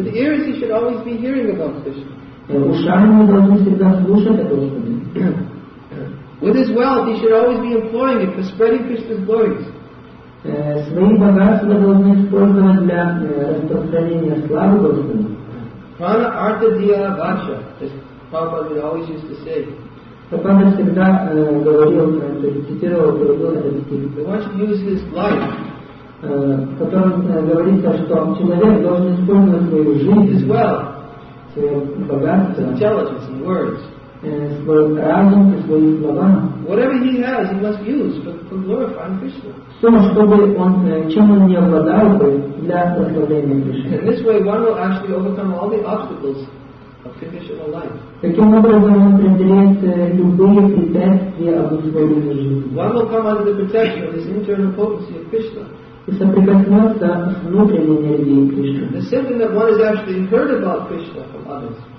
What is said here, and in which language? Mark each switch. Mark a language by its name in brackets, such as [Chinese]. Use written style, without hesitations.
[English] With ears, he should always be hearing about Krishna. [Russian] Ушами мы должны всегда слушать о Господе. [English] With his wealth, he should always be employing it for spreading Krishna's glories. [Russian] Свои богатства должны использовать для распространения славы Господа. [Sanskrit] Prana artha dhiya vacha, [English] as Prabhupada always used to say. [Russian] Prabhupada всегда говорил, цитировал, говорил этот стих. [English] He wants to use his life. [Russian] Потом говорится, что человек должен использовать свою жизнь, [English] his wealth, [Russian] свое богатство, [English] intelligence and words. [Russian] Свой разум и свои слова. [English] Whatever he has, he must use for glorifying Krishna. [Russian] Все, чтобы он, чем он не обладал бы, для прославления Кришны. [English] In this way, one will actually overcome all the obstacles of conditional life. [Russian] Таким образом, он преодолеет любые препятствия обусловленной жизни. [English] One will come under the protection of this internal potency of Krishna. [Russian] и соприкоснется с внутренней энергией Кришны. [English] The symptom that one has actually heard about Krishna from others.